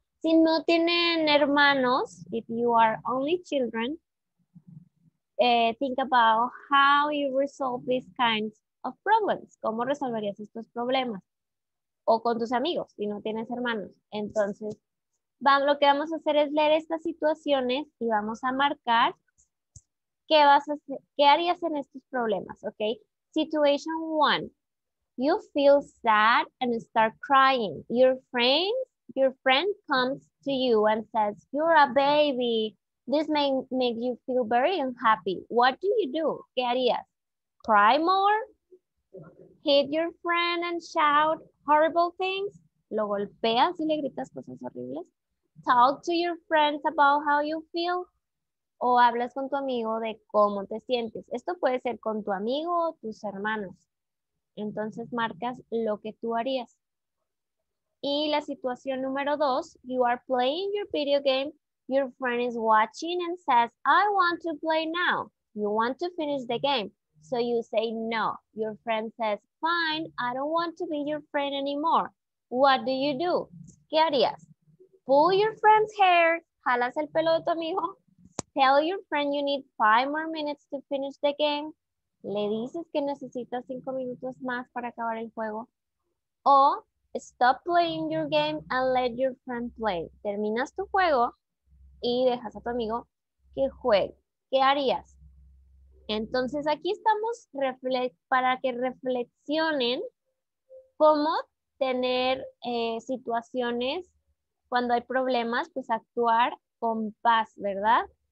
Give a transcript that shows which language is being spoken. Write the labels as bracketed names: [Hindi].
[Spanish] Si no tienen hermanos, [English] if you are only children, think about how you resolve these kinds of problems. [Spanish] ¿Cómo resolverías estos problemas? O con tus amigos, si no tienes hermanos. Entonces, lo que vamos a hacer es leer estas situaciones y vamos a marcar qué vas a hacer, qué harías en estos problemas, ¿ok? [English] Situation one. You feel sad and start crying. Your friend comes to you and says, you're a baby. This may make you feel very unhappy. What do you do? [Spanish] ¿Qué harías? [English] Cry more? Hit your friend and shout horrible things. [Spanish] Lo golpeas y le gritas cosas horribles. [English] Talk to your friends about how you feel. [Spanish] O hablas con tu amigo de cómo te sientes. Esto puede ser con tu amigo o tus hermanos. Entonces marcas lo que tú harías. Y la situación número dos. [English] You are playing your video game. Your friend is watching and says, I want to play now. You want to finish the game. So you say no. Your friend says, fine, I don't want to be your friend anymore. What do you do? [Spanish] ¿Qué harías? [English] Pull your friend's hair. [Spanish] ¿Jalas el pelo de tu amigo? [English] Tell your friend you need 5 more minutes to finish the game. [Spanish] ¿Le dices que necesitas 5 minutos más para acabar el juego? [English] O stop playing your game and let your friend play. [Spanish] Terminas tu juego y dejas a tu amigo que juegue. ¿Qué harías? Entonces aquí estamos para que reflexionen cómo tener situaciones cuando hay problemas, pues actuar con paz, ¿verdad?